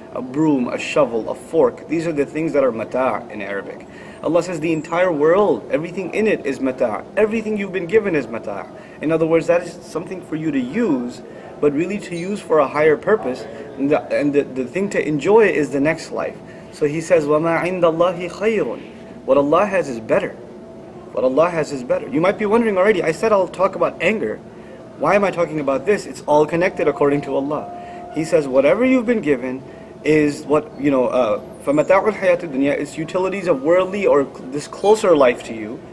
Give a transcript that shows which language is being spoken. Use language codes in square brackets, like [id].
[en] A broom, a shovel, a fork, these are the things that are mata' in Arabic. Allah says the entire world, everything in it is mata'. Everything you've been given is mata'. In other words, that is something for you to use, but really to use for a higher purpose. And the thing to enjoy is the next life. So He says, [ar] وَمَا عِنْدَ اللَّهِ خَيْرٌ. [en] What Allah has is better. What Allah has is better. You might be wondering already, I said I'll talk about anger. Why am I talking about this? It's all connected according to Allah. He says, whatever you've been given is what, you know, [ar] فَمَتَاعُ الْحَيَاةُ الدُّنْيَا, [en] it's utilities of worldly or this closer life to you.